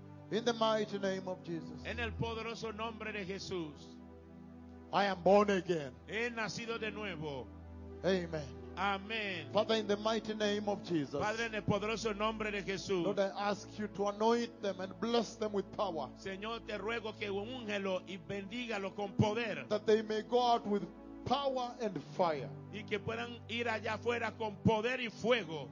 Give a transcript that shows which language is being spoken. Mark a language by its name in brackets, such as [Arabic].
[English] In the mighty name of Jesus. [Spanish] En el poderoso nombre de Jesús. [English] I am born again. [Spanish] He nacido de nuevo. [English] Amen. [Spanish] Amen. [English] Father, in the mighty name of Jesus. [Spanish] Padre, en el poderoso nombre de Jesús. [English] Lord, I ask you to anoint them and bless them with power. [Spanish] Señor, te ruego que úngelo y bendígalo con poder. [English] That they may go out with power and fire. [Spanish] Y que puedan ir allá afuera con poder y fuego.